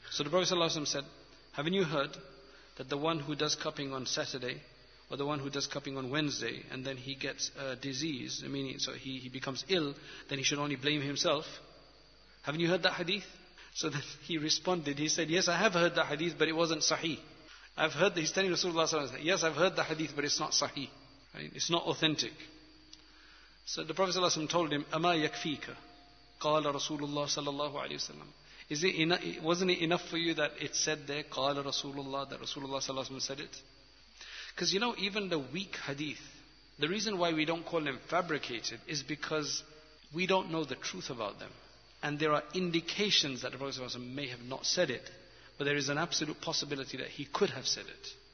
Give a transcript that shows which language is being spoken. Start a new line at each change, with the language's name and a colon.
English: So the Prophet sallallahu alayhi wasallam said, haven't you heard that the one who does cupping on Saturday or the one who does cupping on Wednesday and then he gets a disease, I mean, so he becomes ill, then he should only blame himself? Haven't you heard that hadith? So then he responded, he said, yes, I have heard that hadith, but it wasn't sahih. I've heard that, he's telling Rasulullah SAW, yes, I've heard the hadith, but it's not sahih. Right? It's not authentic. So the Prophet ﷺ told him,
Arabic: أَمَا يَكْفِيكَ قَالَ رَسُولُ اللَّهِ صَلَى اللَّهُ عَلَيْهِ وَسَلَّمَ.
English: Is it enough, wasn't it enough for you that it said there,
Arabic: قَالَ رَسُولُ اللَّهِ,
English: that Rasulullah sallallahu alayhi wa sallam said it? Because you know, even the weak hadith, the reason why we don't call them fabricated is because we don't know the truth about them. And there are indications that the Prophet sallallahu alayhi wa sallam may have not said it, but there is an absolute possibility that he could have said it.